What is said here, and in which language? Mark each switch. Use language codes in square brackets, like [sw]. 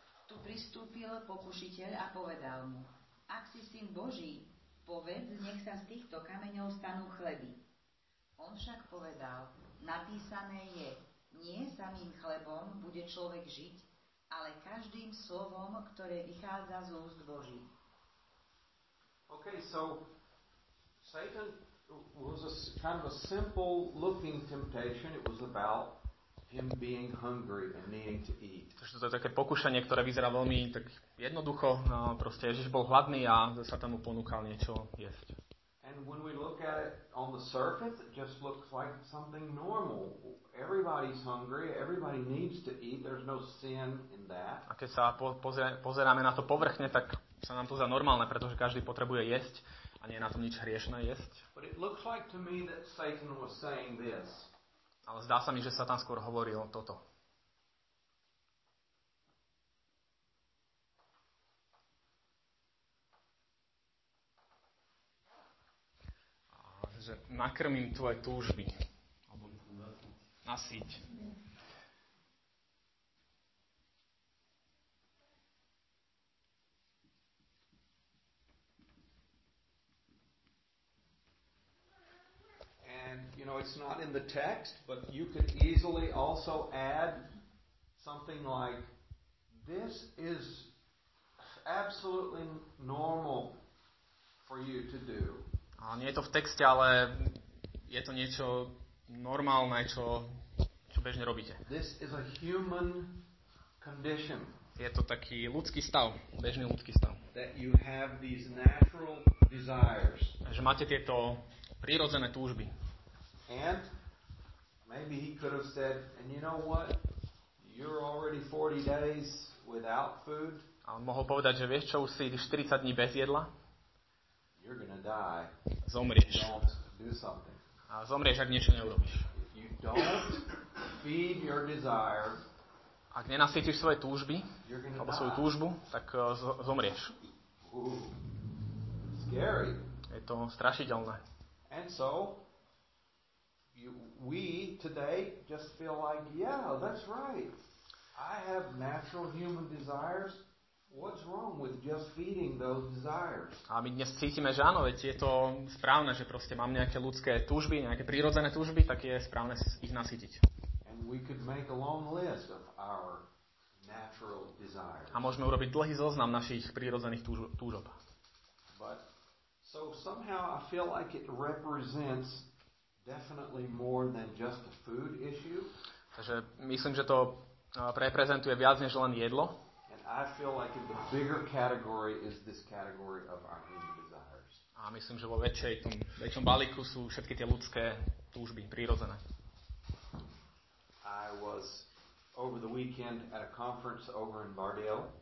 [sk] Tu pristúpil pokušiteľ a povedal mu, ak si syn Boží, povedz, nech sa z týchto kameňov stanú chleby. On však povedal, napísané je, nie samým chlebom bude človek žiť, ale každým slovom, ktoré vychádza z úst Boží. [en] OK, so Satan was a kind of a simple looking temptation. It was about him being hungry and needing to eat. [sk] Takže to je také pokušenie, ktoré vyzerá veľmi tak jednoducho, no proste Ježiš bol hladný a Satan mu ponúkal niečo jesť. [en] And when we look at it on the surface, it just looks like something normal. Everybody's hungry, everybody needs to eat. There's no sin in that. [sk] A keď sa pozeráme na to povrchne, tak sa nám to zdá normálne, pretože každý potrebuje jesť a nie je na tom nič hriešné jesť. [en] But it looks like to me that Satan was saying this. [sk] Ale zdá sa mi, že Satan skôr hovoril toto. Že nakrmím tvoje túžby. Alebo nasyť. [en] And you know it's not in the text, but you could easily also add something like this is absolutely normal for you to do. [sk] A nie je to v texte, ale je to niečo normálne, čo bežne robíte. [en] This is a human condition. [sk] Je to taký ľudský stav, bežný ľudský stav. [en] That you have these natural desires. [sk] Že máte tieto prirodzené túžby. [en] And maybe he could have said, and you know what? You're already 40 days without food. [sk] A mohol povedať, že vieš čo, už si 40 dní bez jedla. [en] You're gonna die. [sk] Zomrieš. [en] Don't do something. [sk] A zomrieš, ak niečo neurobíš. [en] You don't feed your desire. [sk] Ak nenasýtiš svoje túžby, alebo svoju túžbu, tak zomrieš. [en] Ooh. Scary. [sk] Je to strašidelné. [en] And so we today just feel like, yeah, that's right. I have natural human desires. What's wrong with just feeding those desires? [sk] A my dnes cítime, že áno, veď je to správne, že proste mám nejaké ľudské túžby, nejaké prírodzené túžby, tak je správne ich nasýtiť. [en] And we could make a long list of our natural desires. [sk] A môžeme urobiť dlhý zoznam našich prírodzených túžob. [en] But so somehow I feel like it represents definitely more than just a food issue. [sk] Takže myslím, že to reprezentuje viac než len jedlo. [en] And I feel like the bigger category is this category of our human desires. [sk] A myslím, že vo väčšom balíku sú všetky tie ľudské túžby prirodzené. [en] I was over the weekend at a conference over in Bardejov.